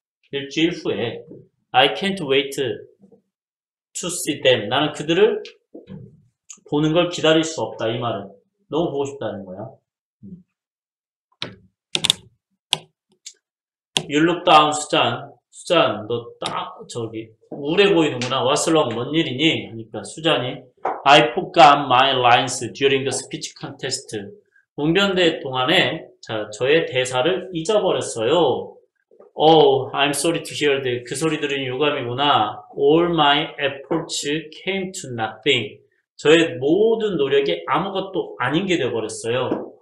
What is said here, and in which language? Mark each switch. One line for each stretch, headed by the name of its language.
Korean: 일주일 후에.
English: I can't wait to see them.
Korean: 나는 그들을, 보는 걸 기다릴 수 없다, 이 말은. 너무 보고 싶다는 거야.
English: You look down, 수잔.
Korean: 수잔, 너 딱, 저기, 우울해 보이는구나.
English: What's wrong?
Korean: 뭔 일이니? 하니까, 수잔이.
English: I forgot my lines during the speech contest.
Korean: 웅변대회 동안에, 자, 저의 대사를 잊어버렸어요.
English: Oh, I'm sorry to hear that.
Korean: 그 소리 들은 유감이구나.
English: All my efforts came to nothing.
Korean: 저의 모든 노력이 아무것도 아닌 게 되어버렸어요.